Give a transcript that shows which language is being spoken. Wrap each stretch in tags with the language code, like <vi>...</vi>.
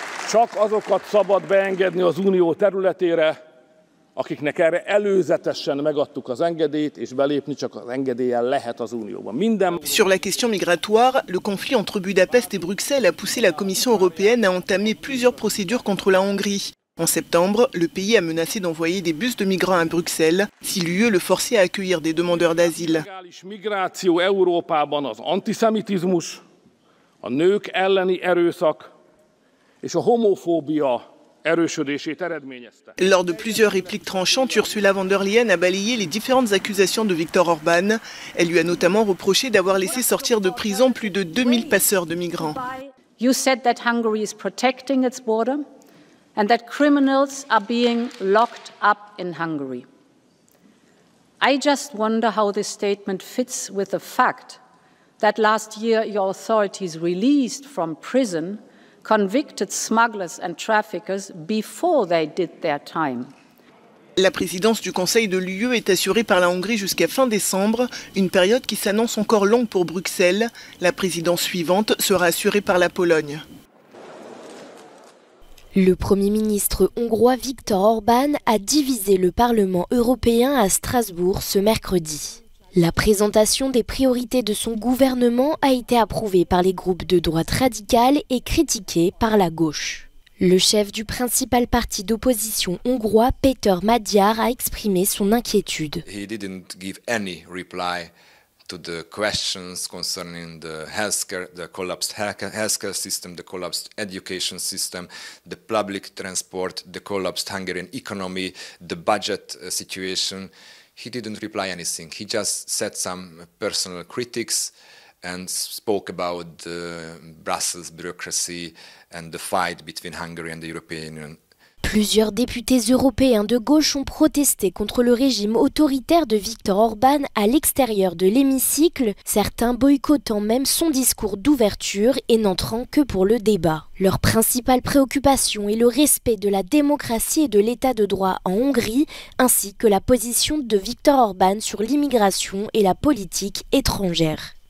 <hu>Csak azokat szabad beengedni az unió területére, akiknek erre előzetesen megadtuk az engedélyt, és belépni csak az engedéllyel lehet az unióba. Minden...</hu> <fr>Sur la question migratoire, le conflit entre Budapest et Bruxelles a poussé la Commission européenne à entamer plusieurs procédures contre la Hongrie. En septembre, le pays a menacé d'envoyer des bus de migrants à Bruxelles si l'UE le forçait à accueillir des demandeurs d'asile.</fr> <hu>Migráció Európában az antiszemitizmus, a nők elleni erőszak és a homofóbia.</hu> <fr>Lors de plusieurs répliques tranchantes, Ursula von der Leyen a balayé les différentes accusations de Viktor Orban. Elle lui a notamment reproché d'avoir laissé sortir de prison plus de 2000 passeurs de migrants.</fr> <en>You said that Hungary is protecting its border and that criminals are being locked up in Hungary. I just wonder how this statement fits with the fact that last year your authorities released from prison convicted smugglers and traffickers before they did their time.</en> <fr>La présidence du Conseil de l'UE est assurée par la Hongrie jusqu'à fin décembre, une période qui s'annonce encore longue pour Bruxelles. La présidence suivante sera assurée par la Pologne. Le Premier ministre hongrois Viktor Orban a divisé le Parlement européen à Strasbourg ce mercredi. La présentation des priorités de son gouvernement a été approuvée par les groupes de droite radicale et critiquée par la gauche. Le chef du principal parti d'opposition hongrois, Péter Madiar, a exprimé son inquiétude.</fr> <en>He didn't give any reply to the questions concerning the healthcare, the collapsed healthcare system, the collapsed education system, the public transport, the collapsed Hungarian economy, the budget situation. He didn't reply anything. He just said some personal critics and spoke about the Brussels bureaucracy and the fight between Hungary and the European Union.</en> <fr>Plusieurs députés européens de gauche ont protesté contre le régime autoritaire de Viktor Orban à l'extérieur de l'hémicycle, certains boycottant même son discours d'ouverture et n'entrant que pour le débat. Leur principale préoccupation est le respect de la démocratie et de l'état de droit en Hongrie, ainsi que la position de Viktor Orban sur l'immigration et la politique étrangère.</fr>